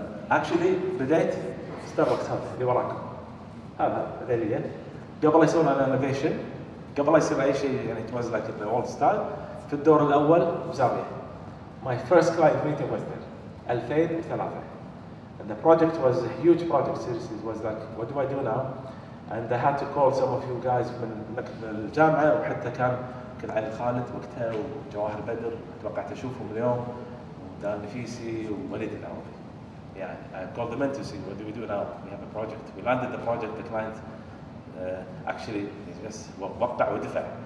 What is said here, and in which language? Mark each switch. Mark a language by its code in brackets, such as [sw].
[ar] actually بديت ستاربكس هذا اللي وراكم. هذا ذيليا. قبل يسوون الانوفيشن قبل يصير أي شيء يعني توز لايك ذا أولد ستايل في الدور الأول زاوية. [en] My first client meeting was there 2003. And the project was a huge project seriously. It was like, what do I do now? And I had to call some of you guys [ar] من الجامعة وحتى كان علي خالد وقتها وجواهر بدر توقعت أشوفهم اليوم ودان نفيسي ووليد العوضي. [en] Yeah, I called them in to see what do we do now. We have a project. We landed the project. The client actually just [ar] وقع ودفع.